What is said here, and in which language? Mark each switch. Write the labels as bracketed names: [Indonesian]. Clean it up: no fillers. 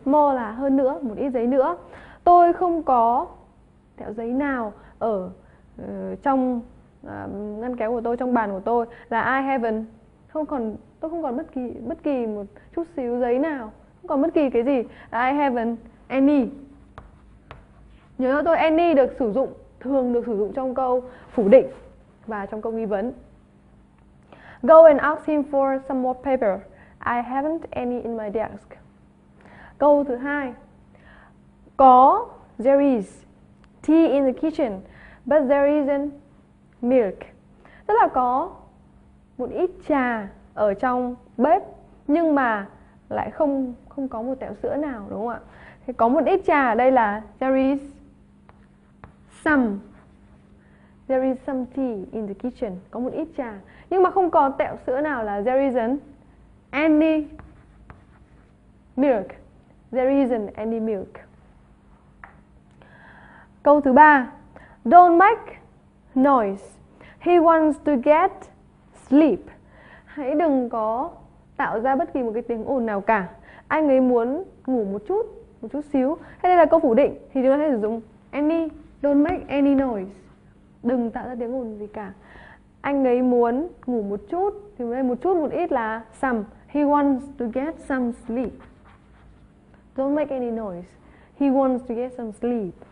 [Vietnamese] More là hơn nữa, một ít giấy nữa. Tôi không có tẹo giấy nào ở trong ngăn kéo của tôi, trong bàn của tôi là [English] I haven't. [Vietnamese] Tôi không còn bất kỳ một chút xíu giấy nào, không còn bất kỳ cái gì. [English] I haven't any. [Vietnamese] Nhớ cho tôi, any được sử dụng, thường được sử dụng trong câu phủ định và trong câu nghi vấn. [English] Go and ask him for some more paper. I haven't any in my desk. [Vietnamese] Câu thứ hai. [English] Có, there is tea in the kitchen. But there isn't milk. [Vietnamese] Tức là có một ít trà ở trong bếp, nhưng mà lại không không có một tẹo sữa nào, đúng không ạ? Thì có một ít trà ở đây là [English] there is some tea in the kitchen, [Vietnamese] có một ít trà nhưng mà không có tẹo sữa nào, là [English] there isn't any milk, there isn't any milk. [Vietnamese] Câu thứ ba, [English] don't make noise, he wants to get sleep. [Vietnamese] Hãy đừng có tạo ra bất kỳ một cái tiếng ồn nào cả, anh ấy muốn ngủ một chút xíu. Thế đây là câu phủ định thì chúng ta sẽ sử dụng any, [English] don't make any noise, [Vietnamese] đừng tạo ra tiếng ồn gì cả. Anh ấy muốn ngủ một chút thì đây một chút một ít là some, [English] he wants to get some sleep. Don't make any noise, he wants to get some sleep.